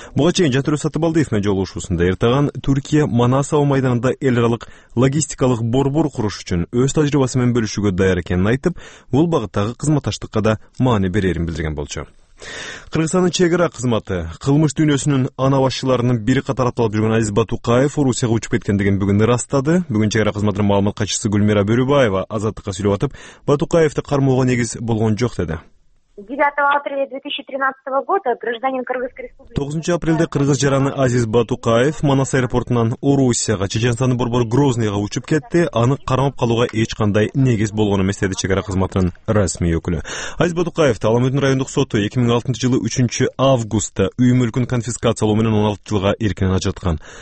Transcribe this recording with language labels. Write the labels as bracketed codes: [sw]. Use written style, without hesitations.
[ky] Буга чейин Жатыр Сатыбалдиев менен жолугушуусунда Эрдоган Түркия Манас аба майданында эл аралык логистикалык борбор куруш үчүн өз тажрыйбасы менен бөлүшүүгө даяр экенин айтып, бул багыттагы кызматташтыкка да маани берерин билдирген болчу. Кыргызстандын чек ара кызматы кылмыш дүйнөсүнүн ана башчыларынын бири катары аталып жүргөн Азиз Батукаев Орусияга учуп кеткендигин бүгүн ырастады. Бүгүн чек ара кызматынын маалымат катчысы Гүлмира Бөрүбаева Азаттыкка сүйлөп атып, Батукаевди кармоого негиз болгон жок, деди. [ru] 9 апреля 2013 года гражданин Кыргызской Республики. [ky] 9 апрельде кыргыз жараны Азиз Батукаев Манас аэропортунан Орусияга Чеченстандын борбору Грозныйга учуп кетти. Аны кармап калууга эч кандай негиз болгон эмес, деди чек ара кызматынын расмий өкүлү. Азиз Батукаевди Аламүдүн райондук соту 2006 жылы 3 августта үй мүлкүн конфискациялоо менен 16 жылга эркинен ажыраткан.